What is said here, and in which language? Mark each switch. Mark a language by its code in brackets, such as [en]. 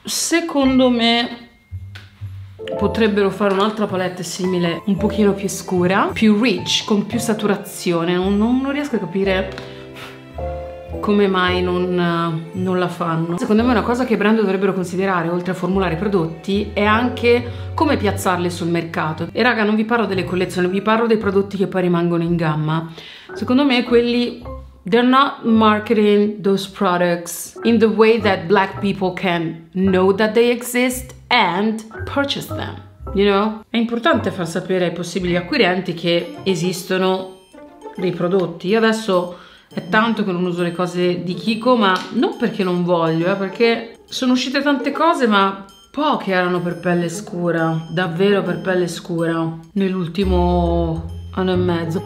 [it] Secondo me potrebbero fare un'altra palette simile, un pochino più scura, più rich, con più saturazione. Non riesco a capire come mai non la fanno. Secondo me una cosa che i brand dovrebbero considerare, oltre a formulare i prodotti, è anche come piazzarle sul mercato. E raga, non vi parlo delle collezioni, vi parlo dei prodotti che poi rimangono in gamma. Secondo me quelli, [en] they're not marketing those products in the way that black people can know that they exist and purchase them, you know? [it] È importante far sapere ai possibili acquirenti che esistono dei prodotti. Io adesso è tanto che non uso le cose di Kiko, ma non perché non voglio, perché sono uscite tante cose, ma poche erano per pelle scura, davvero per pelle scura, nell'ultimo anno e mezzo.